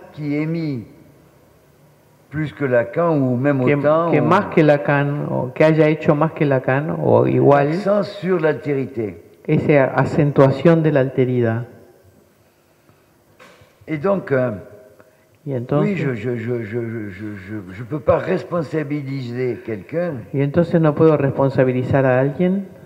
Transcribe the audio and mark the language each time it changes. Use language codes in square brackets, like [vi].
[fr] qui émis plus que Lacan ou même que, autant que ou... [es] más que Lacan o que haya hecho más que Lacan o igual. [fr] L'accent sur l'altérité. [es] Esa acentuación de la alteridad. [fr] Et donc. [es] Y entonces, [fr] oui, je peux pas responsabiliser quelqu'un. [es] Y entonces no puedo responsabilizar a alguien.